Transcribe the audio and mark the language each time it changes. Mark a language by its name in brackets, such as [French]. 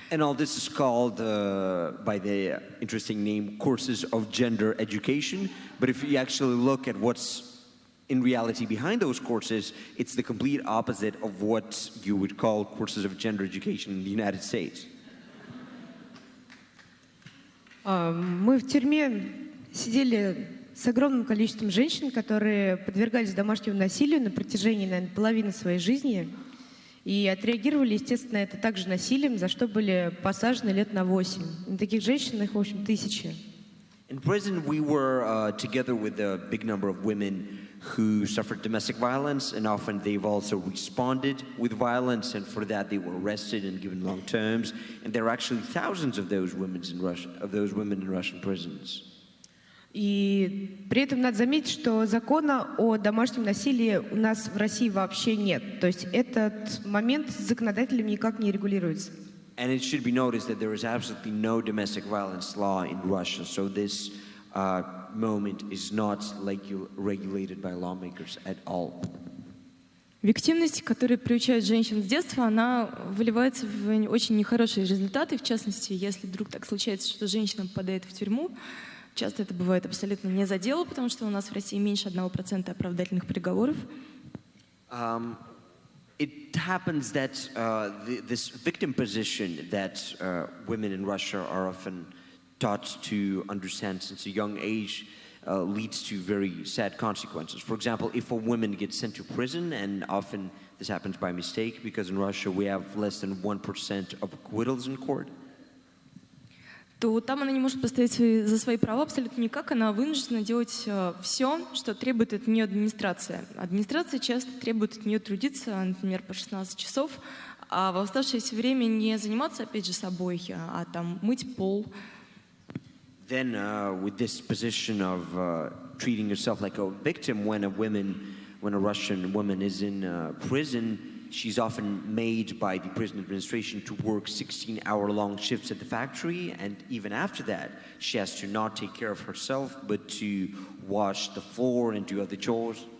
[English] And all this is called by the interesting name courses of gender education, but if you actually look at what's in reality behind those courses, it's the complete opposite of what you would call courses of gender education in the United States. [Russian] Мы в тюрьме сидели с огромным количеством женщин, которые подвергались домашнему насилию на протяжении, наверное, половины своей жизни и отреагировали, естественно, это также насилием, за что были посажены лет на 8. Таких женщин, их, в общем, тысячи. [English] In prison, we were together with a big number of women who suffered domestic violence, and often they've also responded with violence, and for that they were arrested and given long terms. And there are actually thousands of those women in Russia, of those women in Russian prisons. [Russian] И при этом надо заметить, что закона о домашнем насилии у нас в России вообще нет. То есть этот момент с законодателем никак не регулируется. [English] And it should be noticed that there is absolutely no domestic violence law in Russia. So this moment is not regulated by lawmakers at all. [Russian] Виктимность, которую приучают женщин с детства, она выливается в очень нехорошие результаты. В частности, если вдруг так случается, что женщина попадает в тюрьму, часто это бывает абсолютно не за дело, потому что у нас в России меньше 1% оправдательных приговоров. [English] It happens that this victim position that women in Russia are often taught to understand since a young age leads to very sad consequences. For example, if a woman gets sent to prison, and often this happens by mistake, because in Russia we have less than 1% of acquittals in court, [Russian] то там она не может постоять за свои права абсолютно никак. Она вынуждена делать все, что требует от нее администрация. Администрация часто требует от нее трудиться, например, по 16 часов, а в оставшееся время не заниматься, опять же, собой, а там мыть пол. [English] Then, with this position of treating yourself like a victim, when a Russian woman is in prison, she's often made by the prison administration to work 16-hour-long shifts at the factory, and even after that, she has to not take care of herself, but to wash the floor and do other chores.